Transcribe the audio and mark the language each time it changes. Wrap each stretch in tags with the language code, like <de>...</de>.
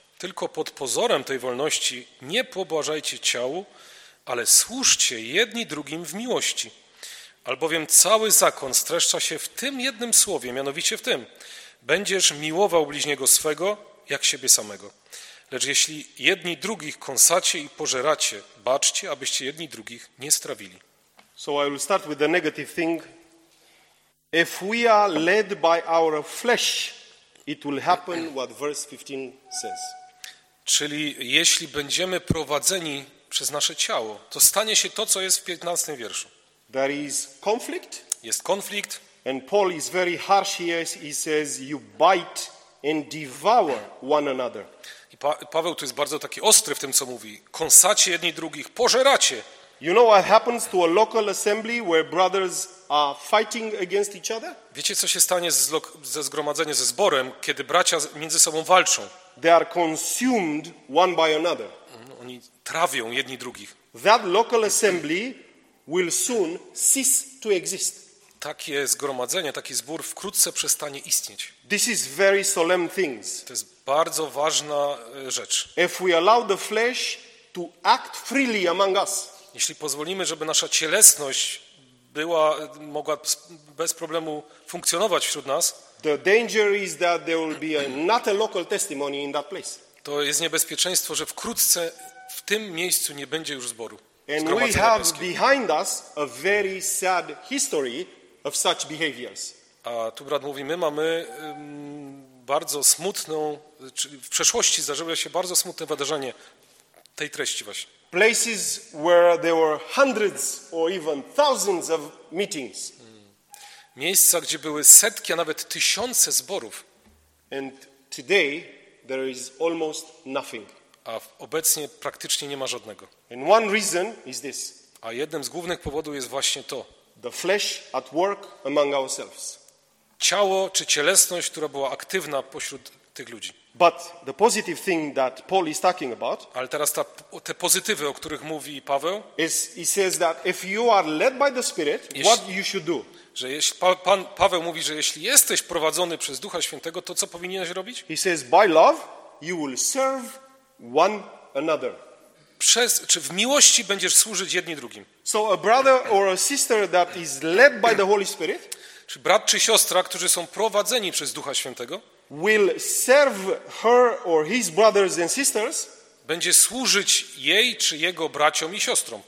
<pl>Tylko pod pozorem tej wolności nie pobłażajcie ciału, ale służcie jedni drugim w miłości. Albowiem cały zakon streszcza się w tym jednym słowie, mianowicie w tym. Będziesz miłował bliźniego swego jak siebie samego. Lecz jeśli jedni drugich kąsacie i pożeracie, baczcie, abyście jedni drugich nie strawili.</pl> <en>So I will start with the negative thing. If we are led by our flesh, it will happen what verse 15 says.</en> <pl>Czyli jeśli będziemy prowadzeni przez nasze ciało, to stanie się to, co jest w 15 wierszu.</pl> <en>There is conflict.</en> <pl>Jest konflikt.</pl> <en>And Paul is very harsh here. He says you bite and devour one another.</en> <pl>Paweł tu jest bardzo taki ostry w tym, co mówi. Kąsacie jedni drugich, pożeracie.</pl> <en>You know what happens to a local assembly where brothers are fighting against each other?</en> <pl>Wiecie, co się stanie ze zgromadzeniem, ze zborem, kiedy bracia między sobą walczą?</pl> <en>They are consumed one by another.</en> <pl>Oni trawią jedni drugich.</pl> <en>That local assembly will soon cease to exist.</en> <pl>takie zgromadzenie, taki zbór wkrótce przestanie istnieć.</pl> <en>This is very solemn things.</en> <pl>To jest bardzo ważna rzecz.</pl> <en>If we allow the flesh to act freely among us.</en> <pl>Jeśli pozwolimy, żeby nasza cielesność była, mogła bez problemu funkcjonować wśród nas.</pl> <en>The danger is that there will be not a local testimony in that place.</en> <pl>To jest niebezpieczeństwo, że wkrótce w tym miejscu nie będzie już zboru.</pl> <en>And we have behind us a very sad history of such behaviors.</en> <pl>A tu brat mówi, my mamy bardzo smutną, czyli w przeszłości zdarzyło się bardzo smutne wydarzenie tej treści właśnie.</pl> <en>Places where there were hundreds or even thousands of meetings.</en> <pl>Miejsca, gdzie były setki, a nawet tysiące zborów.</pl> <en>And today there is almost nothing.</en> <pl>A obecnie praktycznie nie ma żadnego.</pl> <en>And one reason is this.</en> <pl>A jednym z głównych powodów jest właśnie to.</pl> <en>The flesh at work among ourselves.</en> <pl>Ciało czy cielesność, która była aktywna pośród tych ludzi.</pl> <en>But the positive thing that Paul is talking about.</en> <pl>Ale teraz te pozytywy, o których mówi Paweł.</pl> <en>Is he says that if you are led by the Spirit, what you should do.</en> <pl>Że jeśli Paweł mówi, że jeśli jesteś prowadzony przez Ducha Świętego, to co powinieneś robić?</pl> <en>He says by love you will serve one another.</en> <pl>Czy w miłości będziesz służyć jedni drugim?</pl> <en>So a brother or a sister that is led by the Holy Spirit.</en> <pl>Czy brat czy siostra, którzy są prowadzeni przez Ducha Świętego?</pl> <en>Will serve her or his brothers and sisters.</en> <pl>Będzie służyć jej czy jego braciom i siostrom.</pl>